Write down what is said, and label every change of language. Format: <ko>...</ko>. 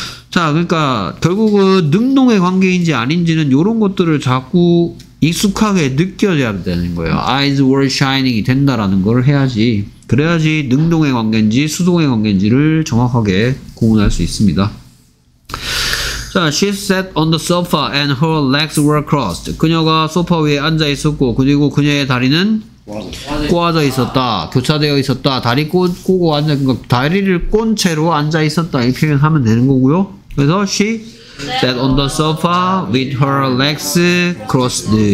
<ko>자, 그러니까 결국은 능동의 관계인지 아닌지는 이런 것들을 자꾸 익숙하게 느껴져야 되는 거예요.</ko> <en>Eyes were shining</en> <ko>이 된다라는 걸 해야지. 그래야지 능동의 관계인지 수동의 관계인지를 정확하게 구분할 수 있습니다. 자,</ko> <en>she sat on the sofa and her legs were crossed.</en> <ko>그녀가 소파 위에 앉아 있었고 그리고 그녀의 다리는 꼬아져 있었다. 교차되어 있었다. 다리 꼬고 앉아 그러니까 다리를 꼰 채로 앉아 있었다. 이렇게 표현하면 되는 거고요. 그래서</ko> <en>she sat on the sofa with her legs crossed.</en>